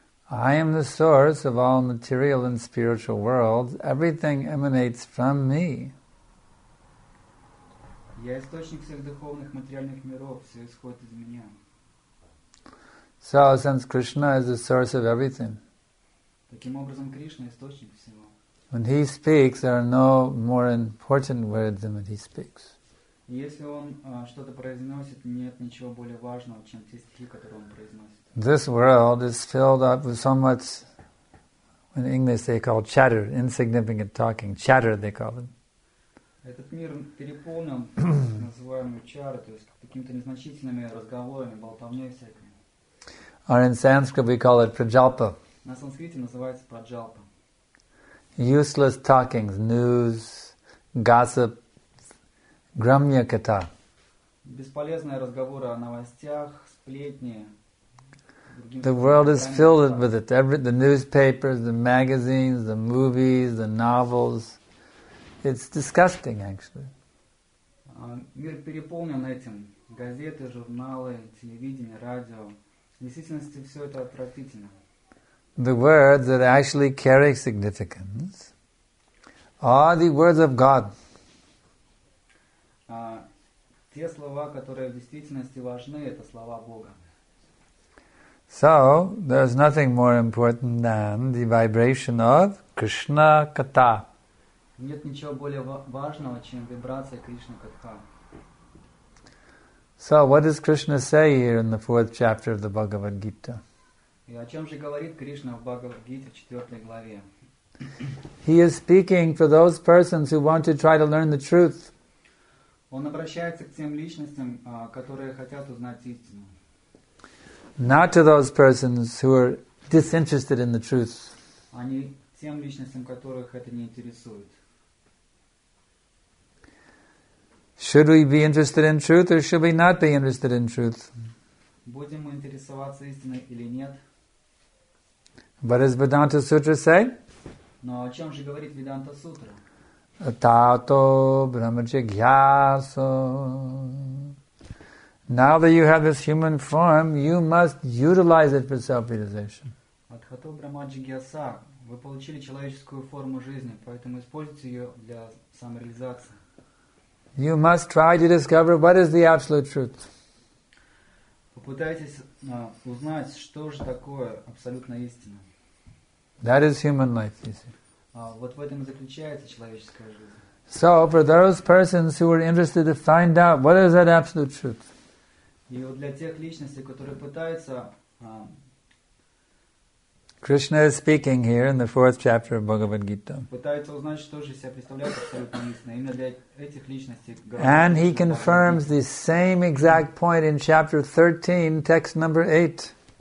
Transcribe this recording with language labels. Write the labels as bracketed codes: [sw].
[en] I am the source of all material and spiritual worlds. Everything emanates from me. [ru] Я источник всех духовных материальных миров. Все исходит из меня. [en] So, since Krishna is the source of everything, [ru] таким образом, Кришна – источник всего. [en] When He speaks, there are no more important words than when He speaks. [ru] Если Он что-то произносит, нет ничего более важного, чем те стихи, которые Он произносит. [en] This world is filled up with so much, in English they call chatter, insignificant talking, chatter they call it. [ru] Этот мир переполнен называемым чарой, то есть какими-то незначительными разговорами, болтовней всякой. [en] Or in Sanskrit we call it prajalpa. [ru] На санскрите называется праджалпа. [en] useless talkings, news, gossip, gramya kata. [ru] Бесполезные разговоры о новостях, сплетни. [en] The world is filled with it. The newspapers, the magazines, the movies, the novels. It's disgusting, actually. [ru] Мир переполнен этим. Газеты, журналы, телевидение, радио. В действительности все это отвратительно. [en] The words that actually carry significance are the words of God. [ru] Те слова, которые в действительности важны, это слова Бога. [en] So, there's nothing more important than the vibration of Krishna Katha. [ru] Нет ничего более важного, чем вибрация Кришна Катха. [en] So, what does Krishna say here in the fourth chapter of the Bhagavad Gita? [ru] И о чем же говорит Кришна в Бхагавад Гите в четвертой главе? [en] He is speaking for those persons who want to try to learn the truth. [ru] Он обращается к тем личностям, которые хотят узнать истину. [en] Not to those persons who are disinterested in the truth. [ru] Они тем личностям, которых это не интересует. [en] Should we be interested in truth or should we not be interested in truth? [ru] Будем мы интересоваться истиной или нет? [en] What does Vedanta Sutra say? [ru] Но о чем же говорит Vedanta Sutra? [sa] Tato brahmacha gyaso. [en] Now that you have this human form, you must utilize it for self-realization. [sa] Adhato brahmacha gyasa. [ru] Вы получили человеческую форму жизни, поэтому используйте ее для самореализации. [en] You must try to discover what is the absolute truth. [ru] Попытайтесь узнать, что же такое абсолютная истина. [en] That is human life, you see. [ru] Вот в этом и заключается человеческая жизнь. [en] So, for those persons who are interested to find out what is that absolute truth. [ru] И вот для тех личностей, которые пытаются... [en] Krishna is speaking here in the fourth chapter of Bhagavad Gita. [ru] Пытается узнать, что же себя представляет абсолютная истина. Именно для этих личностей... [en] And he confirms the same exact point in chapter 13, text number 8.